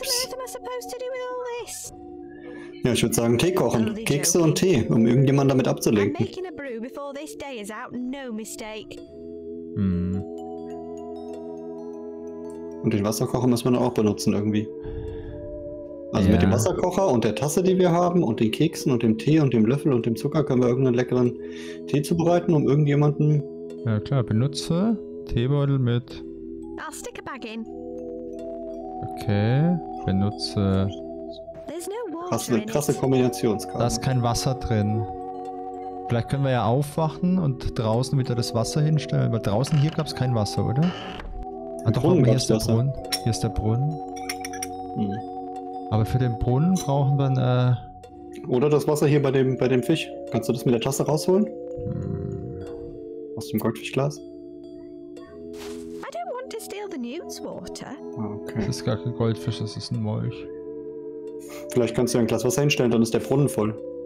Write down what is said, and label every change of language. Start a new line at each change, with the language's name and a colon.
English: What on earth am I supposed to do with all this?
German: Ja, ich würde sagen, Tee kochen. Kekse und Tee, um irgendjemanden damit abzulenken.
English: I'm making a brew before this day is out, no mistake.
German: Und den Wasserkocher müssen wir dann auch benutzen irgendwie. Also mit dem Wasserkocher und der Tasse, die wir haben, und den Keksen und dem Tee und dem Löffel und dem Zucker können wir irgendeinen leckeren Tee zubereiten, um irgendjemanden. Ja klar, benutze Teebeutel mit.
English: I'll stick a bag in.
German: Okay, benutze.
English: There's no water.
German: Krasse Kombinationskarte. Da ist kein Wasser drin. Vielleicht können wir ja aufwachen und draußen wieder das Wasser hinstellen, weil draußen hier gab es kein Wasser, oder? Ah, doch, Brunnen, hier ist der Brunnen. Hier ist der Brunnen. Aber für den Brunnen brauchen wir ein. Oder das Wasser hier bei dem Fisch. Kannst du das mit der Tasse rausholen? Aus dem Goldfischglas?
English: I don't want to steal the newt's water.
German: Okay. Das ist gar kein Goldfisch, das ist ein Molch. Vielleicht kannst du ein Glas Wasser hinstellen, dann ist der Brunnen voll.